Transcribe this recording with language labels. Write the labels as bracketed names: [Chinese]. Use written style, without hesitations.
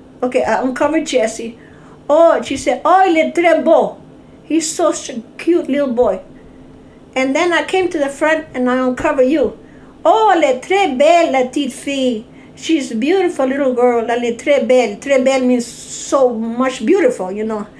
[English] Okay, I uncovered Jesse. Oh, she said, oh, [French] il est très beau. [English] He's such a cute little boy. And then I came to the front and I uncovered you. [French] Oh, elle est très belle, la petite fille. [English] She's a beautiful little girl. [French] Elle est très belle. [English] Très belle means so much beautiful, you know.